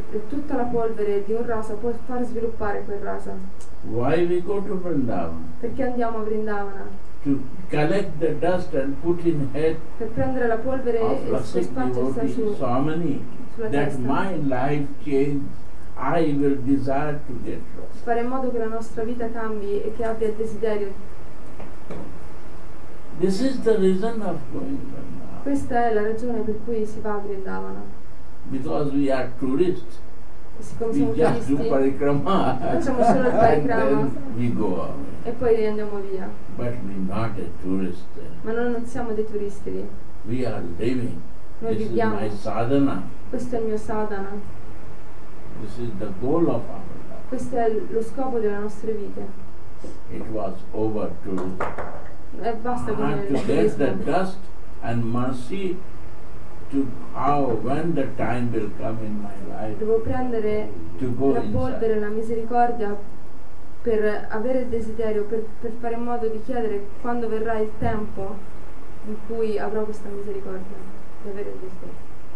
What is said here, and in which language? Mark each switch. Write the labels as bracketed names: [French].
[Italian] Tutta la polvere di un rasa può far sviluppare quel rasa. [English] Why we go to Vrindavan? [Italian] Perché andiamo a Vrindavana? [English] To collect the dust and put in head. [Italian] Per prendere la polvere e spargersi [English] su. That my life change, I will desire to get rasa. [Italian] Fare in modo che la nostra vita cambi e che abbia desiderio. [English] This is the reason of going to Vrindavana. [Italian] Questa è la ragione per cui si va a Vrindavana. [English] Because we are tourists. [Italian] Siccome [English] we [Italian] siamo [English] just [Italian] turisti, [English] do parikrama. [Italian] Facciamo solo il parikrama. [English] And then we go away. [Italian] E poi andiamo via. [English] But we not a tourist. [Italian] Ma noi non siamo dei turisti lì. [English] We are living. [Italian] Noi [English] this [Italian] viviamo. [English] Is my sadhana. [Italian] Questo è il mio sadhana. [English] This is the goal of our life. [Italian] Questo è lo scopo della nostra vita. [English] It was over to. [Italian] E basta con il [English] to get the dust and mercy to how when the time will come in my life. [Italian] Devo prendere la polvere, la misericordia per avere il desiderio, per fare in modo di chiedere quando verrà il tempo in cui avrò questa misericordia di avere il desiderio.